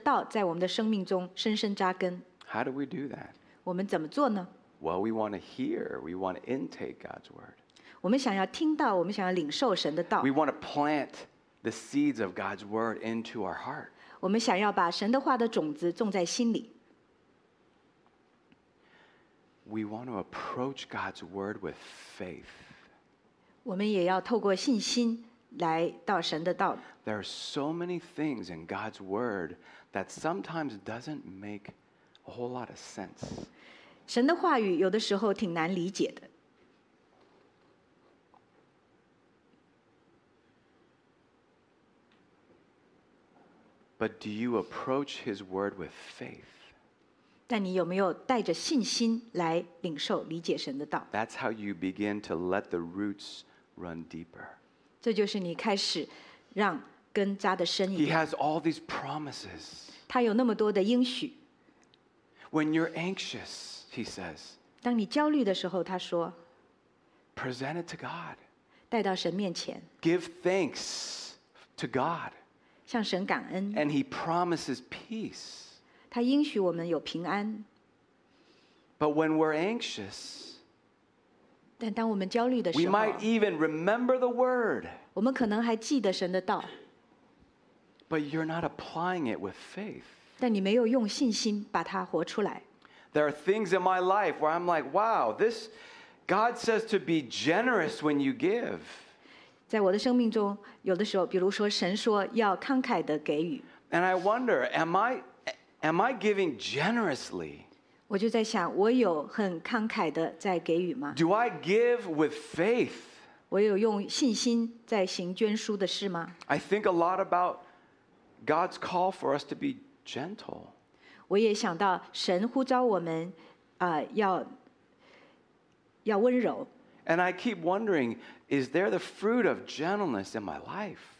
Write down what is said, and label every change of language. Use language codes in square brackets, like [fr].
[zh] 我们想要学习如何容许神的道在我们的生命中深深扎根。 [en] How do we do that? [zh] 我们怎么做呢? [en] Well, we want to hear, we want to intake God's word. [zh] 我们想要听到, 我们想要领受神的道。 [en] We want to plant the seeds of God's word into our heart. [zh] 我们想要把神的话的种子种在心里。 [en] We want to approach God's word with faith. [zh] 我们也要透过信心来到神的道。 [en] There are so many things in God's word that sometimes doesn't make a whole lot of sense. [zh] 神的话语有的时候挺难理解的。 [en] But do you approach His word with faith? [zh] 但你有没有带着信心来领受理解神的道？ [en] That's how you begin to let the roots run deeper. [zh] 这就是你开始让根扎得深一点。 [en] He has all these promises. [zh] 他有那么多的应许。 [en] When you're anxious, He says, [zh] 当你焦虑的时候，他说， [en] present it to God. [zh] 带到神面前。 [en] Give thanks to God. [zh] 向神感恩。 [en] And He promises peace. [zh] 他应许我们有平安。 [en] But when we're anxious, [zh] 但当我们焦虑的时候, [en] we might even remember the word. [zh] 我们可能还记得神的道, [en] but you're not applying it with faith. [zh] 但你没有用信心把它活出来。 [en] There are things in my life where I'm like, wow, this God says to be generous when you give. [zh] 在我的生命中, 有的时候, 比如说神说要慷慨地给予。 [en] And I wonder, am I giving generously? [zh] 我就在想,我有很慷慨地在给予吗? [en] Do I give with faith? [zh] 我有用信心在行捐书的事吗? [en] I think a lot about God's call for us to be gentle. [zh] 我也想到神呼召我们, 要温柔。 [en] And I keep wondering, is there the fruit of gentleness in my life?